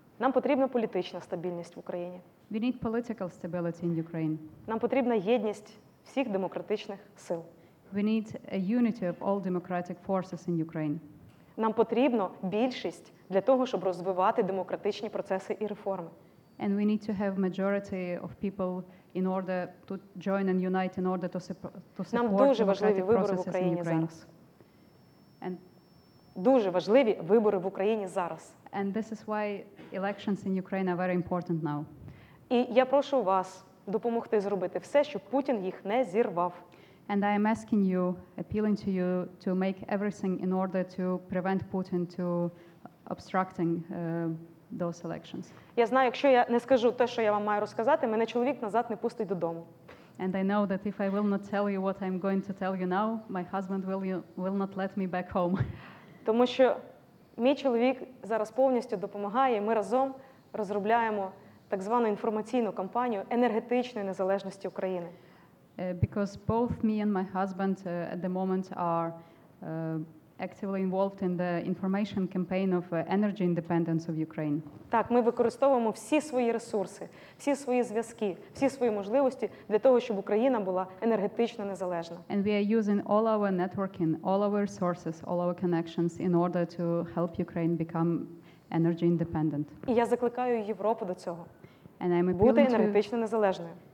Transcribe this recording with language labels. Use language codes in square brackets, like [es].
[uk] Нам потрібна політична стабільність в Україні. [en] We need political stability in Ukraine. [uk] Нам потрібна єдність всіх демократичних сил. [en] We need a unity of all democratic forces in Ukraine. [uk] Нам потрібно більшість для того, щоб розвивати демократичні процеси і реформи. [en] And we need to have majority of people in order to join and unite in order to support. [uk] Нам дуже важливі вибори в Україні зараз. [en] And [uk] дуже важливі вибори в Україні зараз. [en] And this is why elections in Ukraine are very important now. [uk] І я прошу вас допомогти зробити все, щоб Путін їх не зірвав. [en] And I am asking you, appealing to you, to make everything in order to prevent Putin to obstructing those elections. [uk] Я знаю, якщо я не скажу те, що я вам маю розказати, мене чоловік назад не пустить додому. [en] And I know that if I will not tell you what I'm going to tell you now, my husband will not let me back home. [uk] Тому що мій чоловік зараз повністю допомагає, ми разом розробляємо так звану інформаційну кампанію енергетичної незалежності України. [en] Because both me and my husband at the moment are actively involved in the information campaign of energy independence of Ukraine. [uk] Так, ми використовуємо всі свої ресурси, всі свої зв'язки, всі свої можливості для того, щоб Україна була енергетично незалежна. [en] And we are using all our networking, all our resources, all our connections in order to help Ukraine become energy independent. [uk] І я закликаю Європу до цього. [en] And I'm [uk] бути енергетично незалежною.